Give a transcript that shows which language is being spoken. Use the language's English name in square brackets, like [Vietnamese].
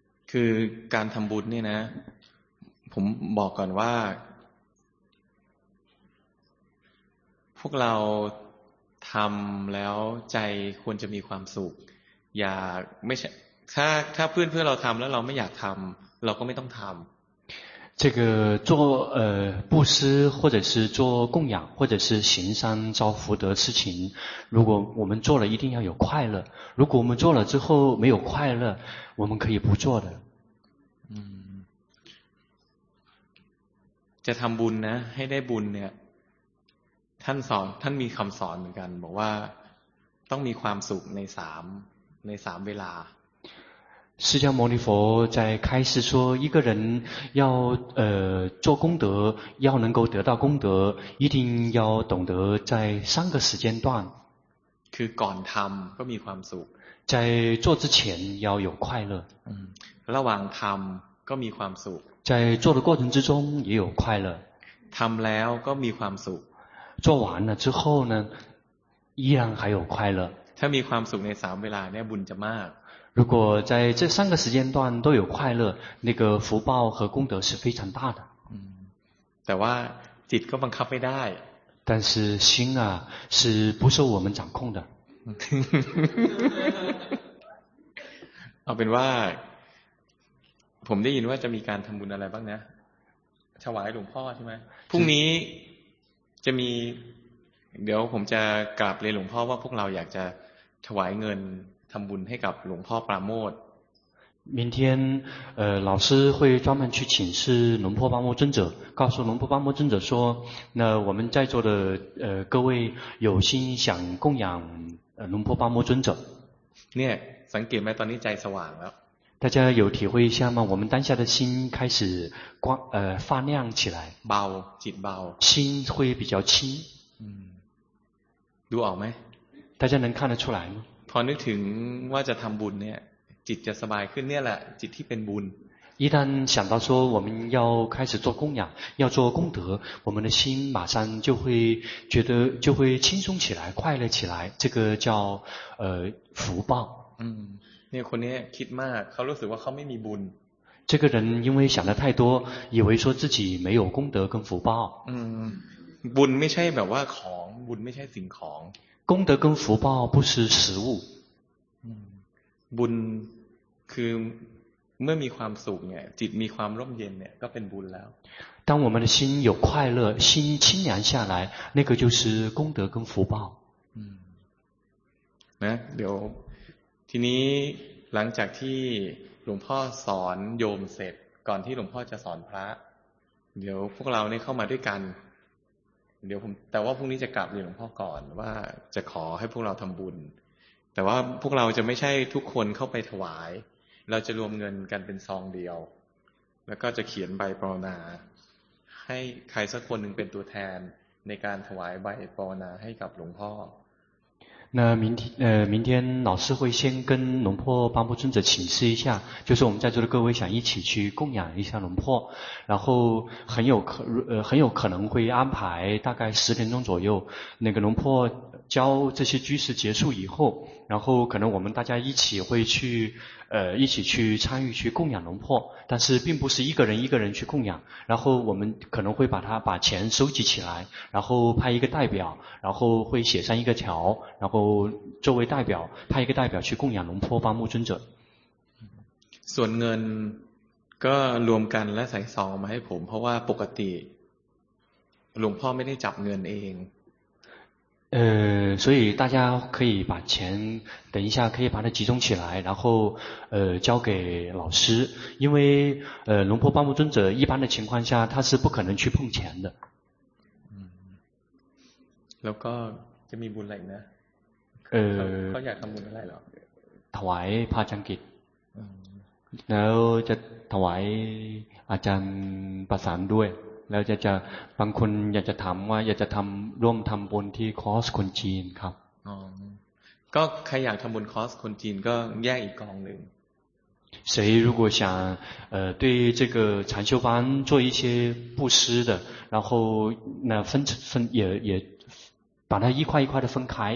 [Thai] คือการทำบุญเนี่ยนะผมบอกก่อนว่าพวกเราทำแล้วใจควรจะมีความสุขอย่าไม่ใช่ถ้าเพื่อนๆเราทำแล้วเราไม่อยากทำเราก็ไม่ต้องทำ [Chinese] 这个做布施或者是做供养或者是行善造福德事情如果我们做了一定要有快乐如果我们做了之后没有快乐我们可以不做的 [Thai] จะทำบุญนะให้ได้บุญเนี่ยท่านมีคำสอนเหมือนกันบอกว่าต้องมีความสุขในสามเวลา [Chinese] 释迦牟尼佛在开始说一个人要做功德要能够得到功德一定要懂得在三个时间段 [Thai] คือก่อนทำก็มีความสุข [Chinese] 在做之前要有快乐 [Thai] ระหว่างทำก็มีความสุข [Chinese] 在做的过程之中也有快乐 [Thai] ทำแล้วก็มีความสุข [Chinese] 做完了之后呢依然还有快乐 [Thai] ถ้ามีความสุขในสามเวลาเนี่ยบุญจะมาก [Chinese] 如果在这三个时间段都有快乐那个福报和功德是非常大的 [Thai] แต่ว่าจิตก็บังคับไม่ได้ [Chinese] 但是心啊是不受我们掌控的 [Thai] เอาเป็นว่าผมได้ยินว่าจะมีการทำบุญอะไรบ้างนะถวายหลวงพ่อใช่ไหมพรุ่งนี้จะมีเดี๋ยวผมจะกราบเรียนหลวงพ่อว่าพวกเราอยากจะถวายเงิน ทำบุญให้กับหลวงพ่อปราโมท [Chinese] 明天老师会专门去请示龙婆巴摩尊者，告诉龙婆巴摩尊者说，那我们在座的各位有心想供养龙婆巴摩尊者。 [Thai] เนี่ย ตอนนี้ใจสว่างแล้ว [Chinese] 大家有体会一下吗？我们当下的心开始光发亮起来。 [Thai] เบา จิตเบา [Chinese] 心会比较轻。 [Thai] ดูออกไหม [Chinese] 大家能看得出来吗？ [Thai] พอนึกถึงว่าจะทำบุญเนี่ยจิตจะสบายขึ้นเนี่ยแหละจิตที่เป็นบุญ [Chinese] 一旦想到说我们要开始做供养要做功德我们的心马上就会觉得就会轻松起来快乐起来这个叫福报 [Thai] เนี่ยคนนี้คิดมากเขารู้สึกว่าเขาไม่มีบุญ [Chinese] 这个人因为想的太多以为说自己没有功德跟福报 [Thai] บุญไม่ใช่แบบว่าของบุญไม่ใช่สิ่งของ [Chinese] 功德跟福报不是食物 [Thai] บุญคือเมื่อมีความสุขเนี่ยจิตมีความร่มเย็นเนี่ยก็เป็นบุญแล้ว [Chinese] 当我们的心有快乐心清凉下来那个就是功德跟福报 [Thai] นะเดี๋ยวทีนี้หลังจากที่หลวงพ่อสอนโยมเสร็จก่อนที่หลวงพ่อจะสอนพระเดี๋ยวพวกเราเนี่ยเข้ามาด้วยกันเดี๋ยวผมแต่ว่าพรุ่งนี้จะกลับเรียนหลวงพ่อก่อนว่าจะขอให้พวกเราทำบุญแต่ว่าพวกเราจะไม่ใช่ทุกคนเข้าไปถวายเราจะรวมเงินกันเป็นซองเดียวแล้วก็จะเขียนใบปรนนาให้ใครสักคนหนึ่งเป็นตัวแทนในการถวายใบปรนนาให้กับหลวงพ่อ [Chinese] 那明天明天老师会先跟龙婆巴摩尊者请示一下，就是我们在座的各位想一起去供养一下龙婆，然后很有可能会安排大概十分钟左右，那个龙婆教这些居士结束以后，然后可能我们大家一起会去一起去参与去供养龙婆，但是并不是一个人一个人去供养，然后我们可能会把他把钱收集起来，然后派一个代表，然后会写上一个条，然后作为代表派一个代表去供养龙婆巴木尊者。 [Thai] ส่วนเงินก็รวมกันและใส่ซองมาให้ผมเพราะว่าปกติหลวงพ่อไม่ได้จับเงินเอง [Chinese] 所以大家可以把钱等一下可以把它集中起来然后交给老师因为龙婆巴木尊者一般的情况下他是不可能去碰钱的 [Thai] แล้วก็จะมีบุญอะไรนะเขาอยากทำบุญอะไรหรอ ถวายพระอาจารย์กิจแล้วจะถวายอาจารย์ประสานด้วยแล้วจะบางคนอยากจะถามว่าอยากจะทำร่วมทำบุญที่คอร์สคนจีนครับ ก็ใครอยากทำบุญคอร์สคนจีนก็แยกอีกกองหนึ่ง [Chinese] 谁如果想对这个禅修班做一些布施的然后那分也把它一块一块的分开